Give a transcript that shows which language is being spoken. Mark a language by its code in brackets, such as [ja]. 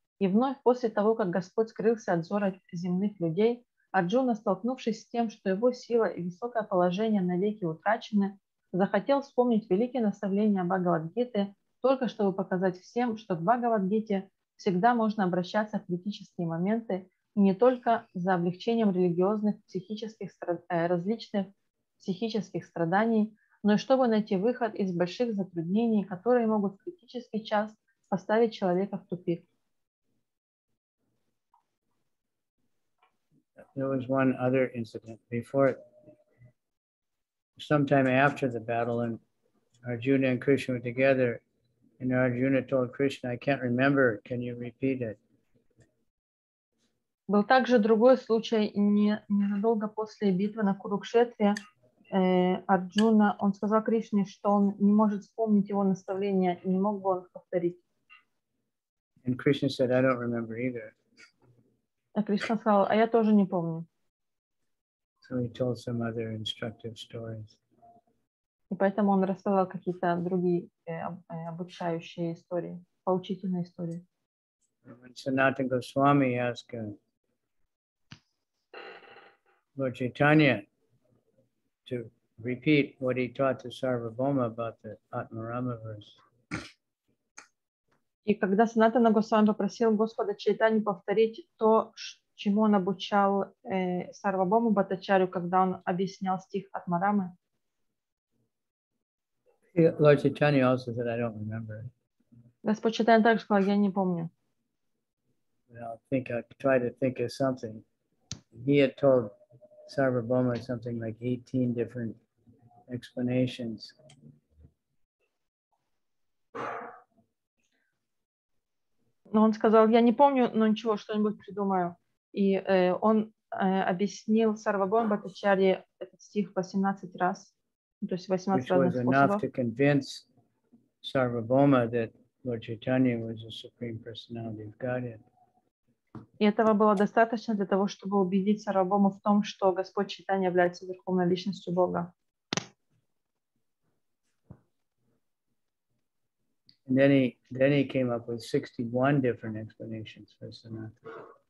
[ru] И вновь после того, как Господь скрылся от зора земных людей, Арджуна, столкнувшись с тем, что его сила и высокое положение навеки утрачены, захотел вспомнить великие наставления Бхагавад-гиты, только чтобы показать всем, что к Бхагавад-гите всегда можно обращаться в критические моменты, и не только за облегчением религиозных, психических, различных психических страданий, но и чтобы найти выход из больших затруднений, которые могут в критический час поставить человека в тупик. [en] There was one other incident before, sometime after the battle, and Arjuna and Krishna were together, and Arjuna told Krishna, "I can't remember. Can you repeat it?" [ru] Был также другой случай ненадолго после битвы на Курукшетре. Арджуна, он сказал Кришне, что он не может вспомнить его наставления, не мог бы он повторить. [en] And Krishna said, "I don't remember either." [ru] А Кришна сказал, а я тоже не помню. [en] So he told some other instructive stories. [ru] И поэтому он рассказал какие-то другие обучающие истории, поучительные истории. [en] When Sanatan Goswami asked Lord Chaitanya to repeat what he taught to Sarvabhauma about the Atmarama verse. [ru] И когда Санатана Госвами попросил Господа Чайтани повторить то, чему он обучал Сарвабхауму Бхаттачарью, когда он объяснял стих от Марамы. [en] Lord Chaitanya also said, I don't remember. [ru] Господь Чайтанья также сказал, я не помню. [en] I'll try to think of something. He had told Sarvabhauma something like 18 different explanations. [ru] Но он сказал, я не помню, но ничего, что-нибудь придумаю. И он объяснил Сарвабхауму Бхаттачарье этот стих 18 раз. То есть 18 разных способов. [en] Which was enough to convince Sarvabhauma that Lord Chaitanya was the Supreme Personality of Godhead. [ru] И этого было достаточно для того, чтобы убедить Сарвабхауму в том, что Господь Чайтанья является Верховной Личностью Бога. [en] And then he came up with 61 different explanations for Sanatana.